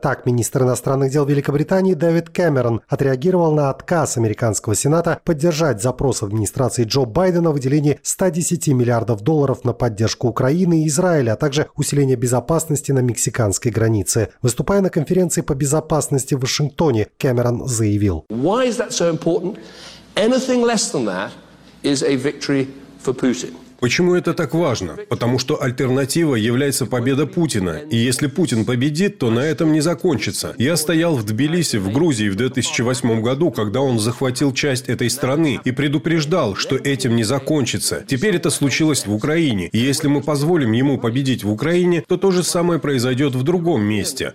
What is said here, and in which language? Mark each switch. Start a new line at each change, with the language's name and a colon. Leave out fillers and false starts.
Russian: Так министр иностранных дел Великобритании Дэвид Кэмерон отреагировал на отказ американского Сената поддержать запрос администрации Джо Байдена о выделении 110 миллиардов долларов на поддержку Украины и Израиля, а также усиление безопасности на мексиканской границе. Выступая на конференции по безопасности в Вашингтоне, Кэмерон заявил:
English: «Why is that so important? Anything less than that is a victory for Putin».
Russian: Почему это так важно? Потому что альтернатива является победа Путина. И если Путин победит, то на этом не закончится. Я стоял в Тбилиси, в Грузии, в 2008 году, когда он захватил часть этой страны, и предупреждал, что этим не закончится. Теперь это случилось в Украине. И если мы позволим ему победить в Украине, то то же самое произойдет в другом месте.